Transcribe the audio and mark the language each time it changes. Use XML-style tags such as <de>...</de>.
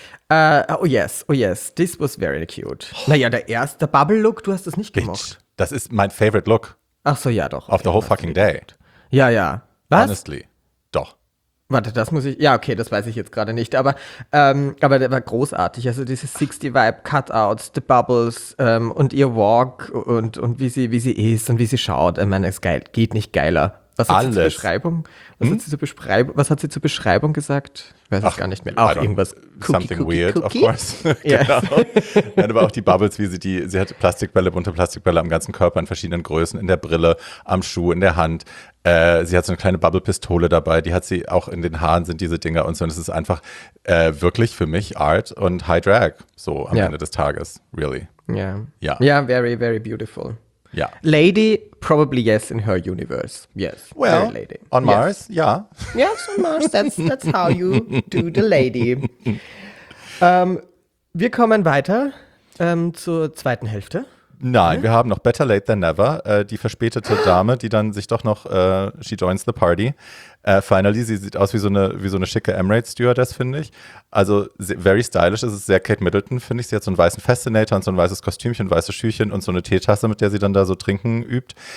<en>Oh yes, oh yes, this was very cute. Oh.</en> <de>Naja, der erste Bubble-Look, du hast das nicht gemacht. Das ist mein favorite Look. Ach so, ja doch.</de> <en>Okay, of the whole fucking day.</en> <de>Ja, ja. Was? Honestly, doch. Warte, das muss ich, ja okay, das weiß ich jetzt gerade nicht, aber der war großartig, also diese 60-Vibe-Cutouts, the Bubbles und ihr Walk und wie sie ist und wie sie schaut, ich meine, es geil, geht nicht geiler. Was hat sie zur Beschreibung? Was hat sie zur Beschreibung gesagt? Ich weiß es gar nicht mehr. Auch irgendwas.</de> <en>Cookie, something cookie, weird, cookie? Of course.</en> <de>Genau. Nein, aber auch die Bubbles, wie sie die. Sie hat Plastikbälle, bunte Plastikbälle am ganzen Körper in verschiedenen Größen, in der Brille, am Schuh, in der Hand. Sie hat so eine kleine Bubble-Pistole dabei. Die hat sie auch in den Haaren, sind diese Dinger und so. Und es ist einfach wirklich für mich Art und High Drag. So am Ende des Tages, really. Ja. Yeah.</de> <en>Ja, yeah, very, very beautiful.</en> <de>Ja.</de> <en>Lady, probably yes in her universe. Yes. Well, lady. On Mars, ja. Yeah. Yes, on Mars, that's how you do the lady.</en> <de>Wir kommen weiter zur zweiten Hälfte. Nein, wir haben noch Better Late Than Never, die verspätete Dame, die dann sich doch noch,</de> <en>she joins the party.</en> <de>Finally, sie sieht aus wie so eine schicke Emirates-Stewardess, finde ich. Also</de> <en>very stylish,</en> <de>es ist sehr Kate Middleton, finde ich. Sie hat so einen weißen Fascinator und so ein weißes Kostümchen, weiße Schüchen und so eine Teetasse, mit der sie dann da so trinken übt.</de>